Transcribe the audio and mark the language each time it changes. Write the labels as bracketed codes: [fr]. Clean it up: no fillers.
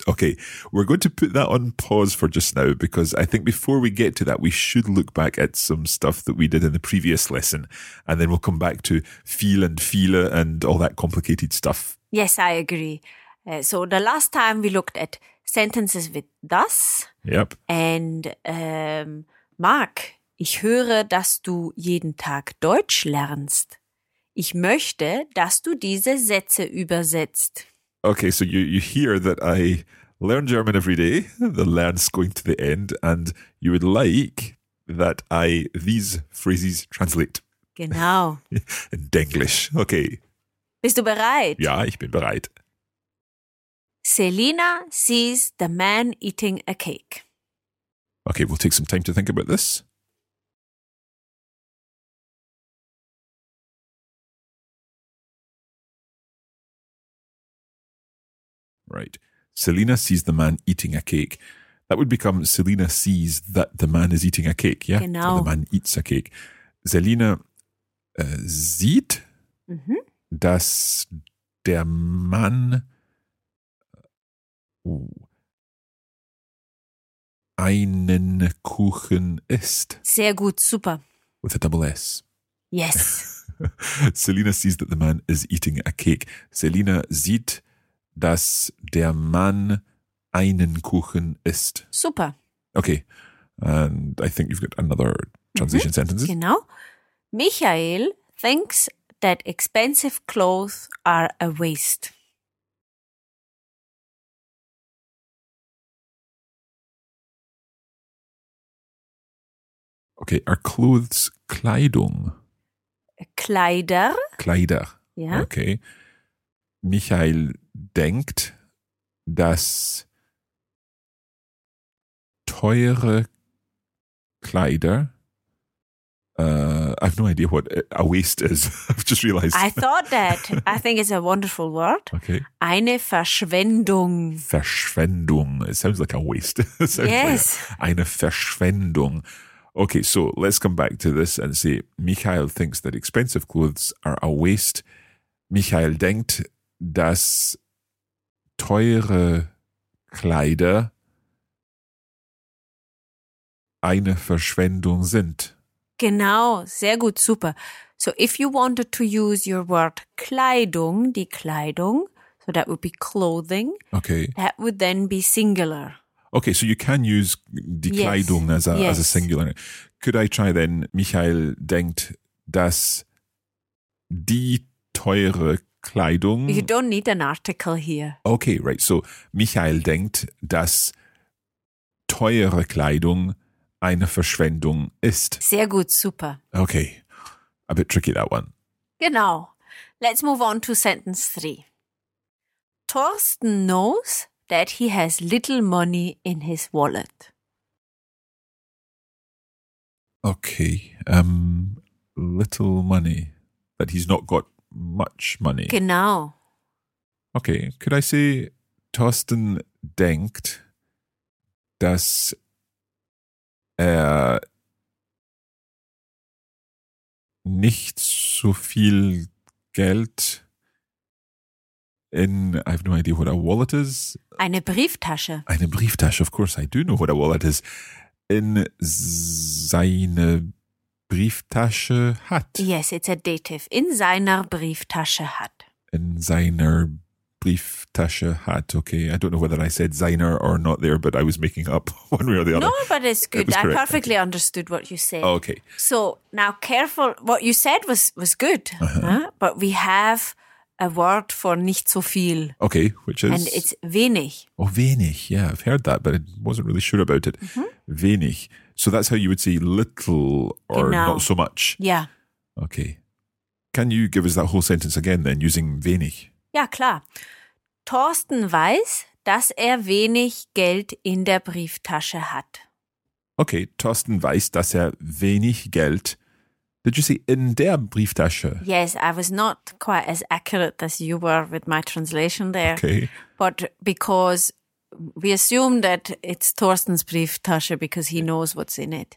[en] Okay, we're going to put that on pause for just now, because I think before we get to that, we should look back at some stuff that we did in the previous lesson, and then we'll come back to viel and viele and all that complicated stuff. Yes, I agree. So the last time we looked at sentences with das. Yep. And Mark. [de] Ich höre, dass du jeden Tag Deutsch lernst. Ich möchte, dass du diese Sätze übersetzt. [en] Okay, so you hear that I learn German every day, the learn's going to the end, and you would like that I these phrases translate. [de] Genau. [en] In Denglisch, okay. [de] Bist du bereit? Ja, ich bin bereit. [en] Selina sees the man eating a cake. Okay, we'll take some time to think about this. Right. Selina sees the man eating a cake. That would become Selina sees that the man is eating a cake. Yeah. [de] Genau. [en] The man eats a cake. [de] Selina sieht, dass der Mann einen Kuchen isst. Sehr gut. Super. [en] With a double S. Yes. Selina sees that the man is eating a cake. [de] Selina sieht, dass der Mann einen Kuchen isst. Super. [en] Okay, and I think you've got another transition sentence. [de] Genau. [en] Michael thinks that expensive clothes are a waste. Okay, are clothes Kleidung? [de] Kleider. Kleider. Ja. [en] Okay. [de] Michael denkt, dass teure Kleider, [en] I have no idea what a waste is. I've just realized. I thought that. I think it's a wonderful word. Okay. [de] Eine Verschwendung. [en] Verschwendung. It sounds like a waste. Yes. Like [de] eine Verschwendung. [en] Okay, so let's come back to this and say, Michael thinks that expensive clothes are a waste. [de] Michael denkt, dass teure Kleider eine Verschwendung sind. Genau, sehr gut, super. [en] So if you wanted to use your word Kleidung, die Kleidung, so that would be clothing. Okay. That would then be singular. Okay, so you can use die Kleidung as a singular. Could I try then, [de] Michael denkt, dass die teure Kleidung. [en] You don't need an article here. Okay, right. So, [de] Michael denkt, dass teure Kleidung eine Verschwendung ist. Sehr gut, super. [en] Okay, a bit tricky that one. [de] Genau. [en] Let's move on to sentence 3. Thorsten knows that he has little money in his wallet. Okay, little money, that he's not got much money. [de] Genau. [en] Okay, could I say [de] Thorsten denkt, dass er nicht so viel Geld in, [en] I have no idea what a wallet is. [de] Eine Brieftasche. Eine Brieftasche, [en] of course, I do know what a wallet is. [de] In seine Brieftasche hat. [en] Yes, it's a dative. [de] In seiner Brieftasche hat. In seiner Brieftasche hat, okay. [en] I don't know whether I said seiner or not there, but I was making up one way or the other. No, but it's good. I perfectly understood what you said. Oh, okay. So now careful. What you said was good, huh? But we have a word for nicht so viel. Okay, which is? And it's wenig. Oh, wenig. Yeah, I've heard that, but I wasn't really sure about it. Mm-hmm. Wenig. So that's how you would say little or genau. Not so much. Yeah. Okay. Can you give us that whole sentence again then, using wenig? [de] Ja, klar. Thorsten weiß, dass er wenig Geld in der Brieftasche hat. Okay, Thorsten weiß, dass er wenig Geld. [en] Did you say [de] in der Brieftasche? [en] Yes, I was not quite as accurate as you were with my translation there. Okay. But because we assume that it's Thorsten's Brieftasche because he knows what's in it.